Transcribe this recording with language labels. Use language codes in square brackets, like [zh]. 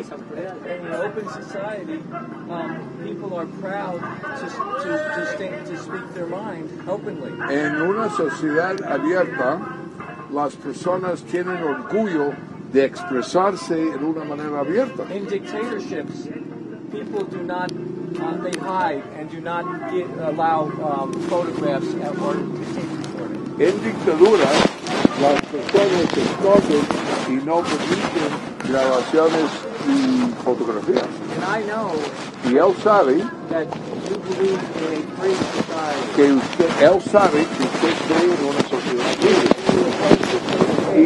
[en] In an open society, people are proud to speak their mind openly. [es] En una sociedad abierta, las personas tienen orgullo de expresarse en una manera abierta. [en] In dictatorships, people do not, they hide and do not allow photographs or tape recording. [es] En dictaduras, las personas se esconden y no permiten grabaciones y fotografías. [en] And I know [es] y él sabe [en] that you believe in a free society. [es] Que usted, él sabe que usted cree en una sociedad libre.